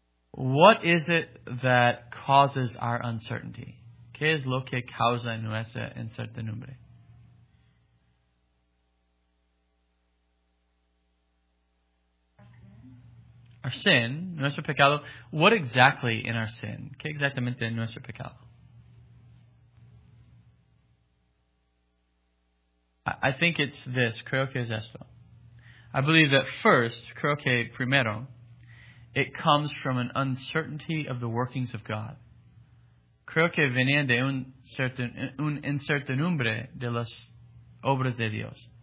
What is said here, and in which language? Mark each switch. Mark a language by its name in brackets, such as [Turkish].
[English] What is it that causes our uncertainty? [Spanish] ¿Qué es lo que causa nuestra incertidumbre? [English] Our sin, [Spanish] nuestro pecado. [English] What exactly in our sin? [Spanish] ¿Qué exactamente en nuestro pecado? [English] I think it's this. [Spanish] Creo que es esto. [English] I believe that first, [Spanish] creo que primero, [English] it comes from an uncertainty of the workings of God. [Spanish] Creo que venía de un incertidumbre de las obras de Dios.